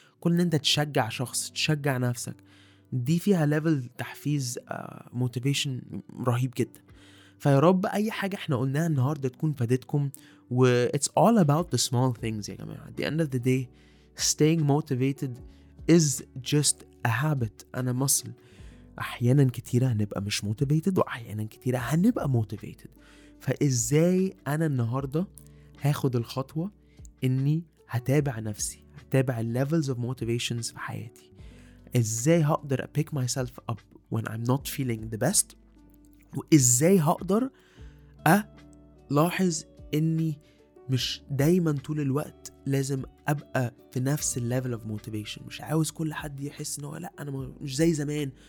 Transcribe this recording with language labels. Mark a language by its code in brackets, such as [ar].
[ar] كل ان انت تشجع شخص، تشجع نفسك، دي فيها ليفل تحفيز موتيفيشن رهيب جدا. فيا رب اي حاجة احنا قلناها النهاردة تكون فادتكم. و [en] it's all about the small things [ar] يا جماعة. [en] At the end of the day staying motivated is just a habit and a muscle. [ar] احيانا كتيرة هنبقى مش motivated واحيانا كتيرة هنبقى motivated. فإزاي أنا النهاردة هاخد الخطوة إني هتابع نفسي، هتابع [en] levels of motivations [ar] في حياتي؟ إزاي هقدر [en] pick myself up when I'm not feeling the best؟ [ar] وإزاي هقدر ألاحظ إني مش دايما طول الوقت لازم أبقى في نفس [en] level of motivation؟ [ar] مش عاوز كل حد يحس إنه لا أنا مش زي زمان.